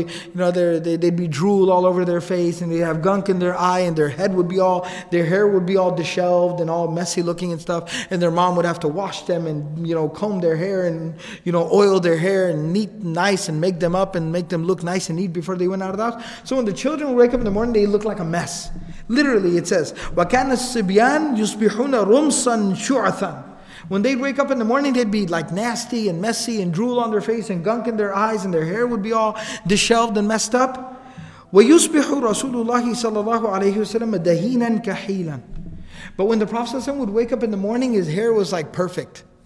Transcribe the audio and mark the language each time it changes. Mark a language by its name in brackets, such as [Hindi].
[English] They, you know, they'd be drool all over their face, and they have gunk in their eye, and their head would be all, their hair would be all disheveled and all messy looking and stuff. And their mom would have to wash them and, you know, comb their hair and, you know, oil their hair and neat, nice, and make them up and make them look nice and neat before they went out of the house. So when the children would wake up in the morning, they look like a mess. Literally, it says, [Arabic] وَكَانَ السِّبْيَانَ يُصْبِحُونَ رُمْسًا شُعْثًا. [English] When they'd wake up in the morning, they'd be like nasty and messy and drool on their face and gunk in their eyes, and their hair would be all disheveled and messed up. [Arabic] وَيُصْبِحُ رَسُولُ اللَّهِ صَلَّى اللَّهُ عَلَيْهِ وَسَلَّمَ دَهِينًا كَحِيلًا. [English] But when the Prophet ﷺ would wake up in the morning, his hair was like perfect.